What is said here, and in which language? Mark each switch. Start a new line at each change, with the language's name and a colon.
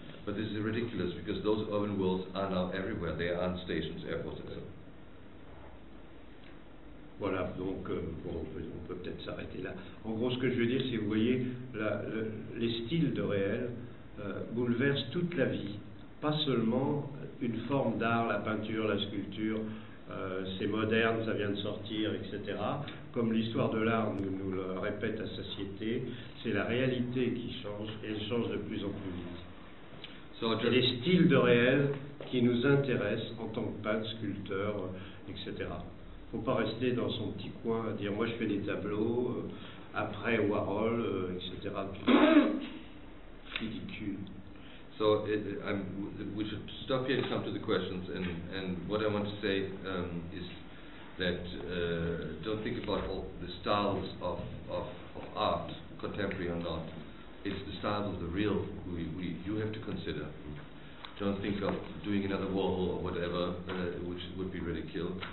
English: But this is ridiculous because those urban worlds are now everywhere. They are on stations, airports, etc.
French: Voilà, donc on peut peut-être s'arrêter là. En gros, ce que je veux dire, c'est que vous voyez, les styles de réel bouleversent toute la vie. Pas seulement une forme d'art, la peinture, la sculpture, c'est moderne, ça vient de sortir, etc. Comme l'histoire de l'art nous le répète à satiété, c'est la réalité qui change, et elle change de plus en plus vite.
English: So
French: c'est les styles de réel qui nous intéressent en tant que peintre, sculpteur, etc. Il ne faut pas rester dans son petit coin à dire « moi je fais des tableaux, après Warhol, etc. » Ridicule.
English: So, we should stop here and come to the questions. And what I want to say is that don't think about all the styles of art, contemporary or not. It's the style of the real you have to consider. Don't think of doing another wall or whatever, which would be ridiculous.